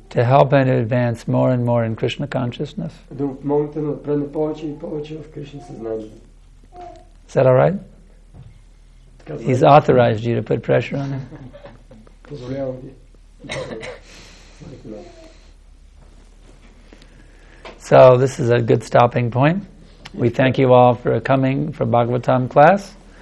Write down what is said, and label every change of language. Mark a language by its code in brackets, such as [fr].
[en] To help him advance more and more in Krishna consciousness. [bg] Да помогнете да напредне повече и повече в Кришна съзнание. [en] Is that all right? He's authorized you to put pressure on him. [bg] Позволявам ви. [en] So this is a good stopping point. We thank you all for coming for Bhagavatam class.